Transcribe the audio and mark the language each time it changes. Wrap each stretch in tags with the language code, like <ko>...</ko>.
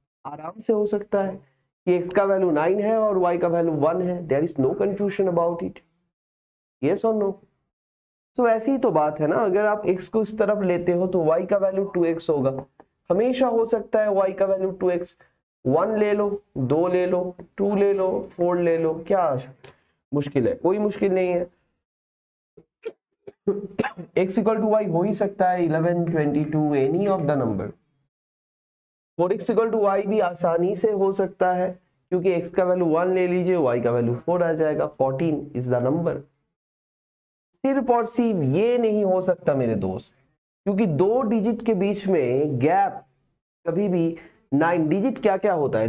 <hi>आराम से हो सकता है कि एक्स का वैल्यू 9 है और वाई का वैल्यू 1 है,</hi> <en>there is no confusion about it,</en> <hi>yes और नो? तो ऐसी ही तो बात है ना, अगर आप एक्स को इस तरफ लेते हो तो वाई का वैल्यू 2x होगा। हमेशा हो सकता है वाई का वैल्यू 2x, 1 ले लो, 2 ले लो, 2 ले लो, 4 ले लो, क्या मुश्किल है? कोई मुश्किल नहीं है।</hi> <en>x equal to y</en> <hi>हो ही सकता है 11, 22,</hi> <en>any of the number. 4x equal to y</en> <hi>भी आसानी से हो सकता है, क्योंकि x का वैल्यू 1 ले लीजिए, y का वैल्यू 4 आ जाएगा,</hi> <en>14 is the number.</en> <hi>सिर्फ और सिर्फ ये नहीं हो सकता मेरे दोस्त, क्योंकि दो डिजिट के बीच में गैप कभी भी 9 डिजिट क्या क्या होता है?</hi>